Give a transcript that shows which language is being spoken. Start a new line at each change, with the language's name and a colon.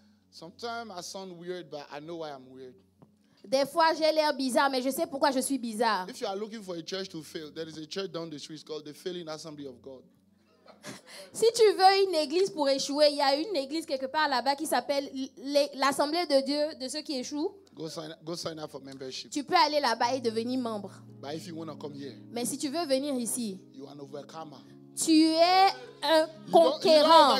English: Sometimes I sound weird, but I know why I'm weird.
French: Des fois, j'ai l'air bizarre, mais je sais pourquoi je suis bizarre.
English: If you are looking for a church to fail, there is a church down the street called the Failing Assembly of God.
French: Si tu veux une église pour échouer, il y a une église quelque part là-bas qui s'appelle l'Assemblée de Dieu de ceux qui échouent.
English: Go sign up for membership.
French: Tu peux aller là-bas et devenir membre.
English: But if you want to come here,
French: mais si tu veux venir ici,
English: you are an overcomer.
French: Tu es un conquérant.